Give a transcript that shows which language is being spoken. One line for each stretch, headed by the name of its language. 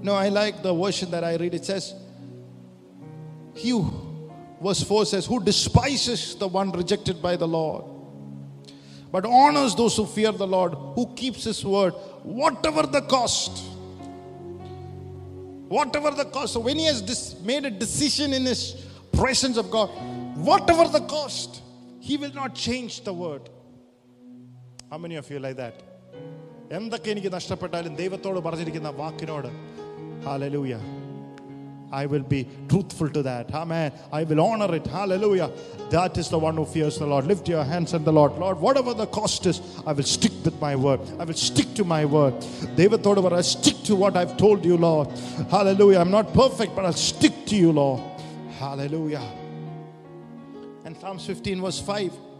English: No, I like the version that I read. It says, you, verse 4 says, who despises the one rejected by the Lord, but honors those who fear the Lord, who keeps his word, whatever the cost. Whatever the cost. So when he has made a decision in his presence of God, whatever the cost, he will not change the word. How many of you like that?
Malayalam: എന്തൊക്കെ എനിക്ക് നഷ്ടപ്പെട്ടാലും ദൈവത്തോട് പറഞ്ഞിരിക്കുന്ന വാക്കിനോട്, hallelujah,
English: I will be truthful to that. Amen. I will honor it. Hallelujah. That is the one who fears the Lord. Lift your hands and the Lord. Lord, whatever the cost is, I will stick with my word. I will stick to my word. Devathodava, I stick to what I've told you, Lord. Hallelujah. I'm not perfect, but I'll stick to you, Lord. Hallelujah. And Psalms 15 verse 5.